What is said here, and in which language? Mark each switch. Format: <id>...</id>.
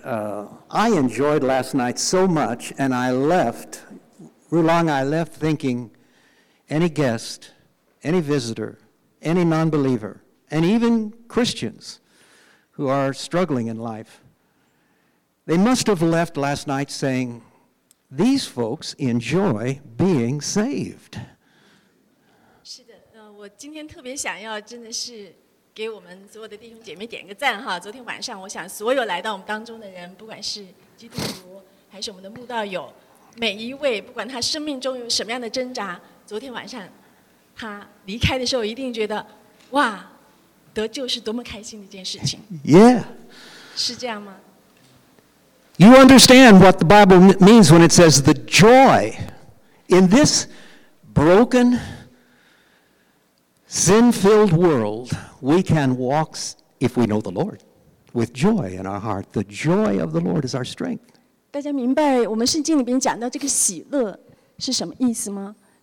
<en>I enjoyed last night so much, and I left, Rulang, I left thinking any guest, any visitor, any non-believer, and even Christians who are struggling in life, they must have left last night saying, these folks enjoy being saved.</en> <zh>是的，我今天特别想要真的是 给我们所有的弟兄姐妹点个赞哈！昨天晚上，我想所有来到我们当中的人，不管是基督徒还是我们的慕道友，每一位，不管他生命中有什么样的挣扎，昨天晚上他离开的时候，一定觉得哇，得救是多么开心的一件事情。</zh> <en>Yeah.</en> <zh>是这样吗？</zh> <en>You understand what the Bible means when it says the joy in this broken, sin-filled world. We can walk, if we know the Lord, with joy in our heart. The joy of the Lord is our strength.</en> <zh>大家明白我们圣经里边讲到这个喜乐是什么意思吗?</zh>